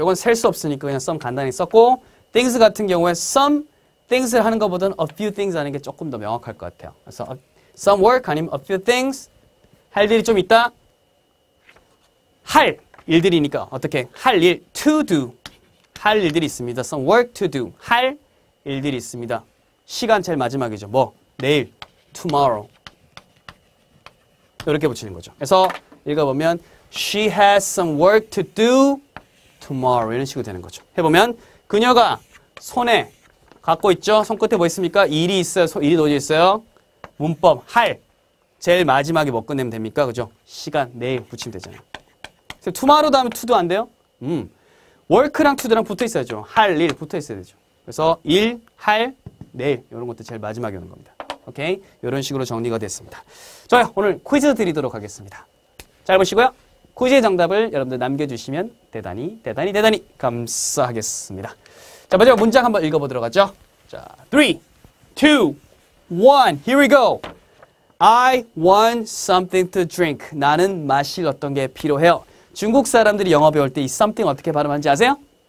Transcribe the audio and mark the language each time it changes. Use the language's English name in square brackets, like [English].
[Korean] 이건 셀 수 없으니까 그냥 some 간단히 썼고 things 같은 경우에 [English] some things [Korean] 를 하는 것보다는 [English] a few things [Korean] 하는 게 조금 더 명확할 것 같아요. 그래서 [English] some work [Korean] 아니면 [English] a few things [Korean] 할 일이 좀 있다. 할 일들이니까 어떻게 할 일 [English] to do [Korean] 할 일들이 있습니다. [English] Some work to do [Korean] 할 일들이 있습니다. 시간 제일 마지막이죠. 뭐 내일 tomorrow 이렇게 붙이는 거죠. 그래서 읽어보면 [English] she has some work to do tomorrow [Korean] 이런 식으로 되는 거죠. 해보면 그녀가 손에 갖고 있죠. 손끝에 뭐 있습니까? 일이 있어요. 일이 놓여 있어요. 문법 할 제일 마지막에 뭐 끝내면 됩니까? 그죠? 시간 내일 붙이면 되잖아요. tomorrow 다음에 to도 안 돼요? work랑 to도랑 붙어 있어야죠. 할 일 붙어 있어야 되죠. 그래서 일 할 내일 이런 것도 제일 마지막에 오는 겁니다. 오케이? 이런 식으로 정리가 됐습니다. 좋아요. 오늘 퀴즈 드리도록 하겠습니다. 잘 보시고요. 퀴즈의 정답을 여러분들 남겨주시면 대단히 대단히 대단히 감사하겠습니다. 자, 마지막 문장 한번 읽어보도록 하죠. [English] 자, 3, 2, 1, here we go. I want something to drink. [Korean] 나는 마실 어떤 게 필요해요. 중국 사람들이 영어 배울 때 이 something 어떻게 발음하는지 아세요?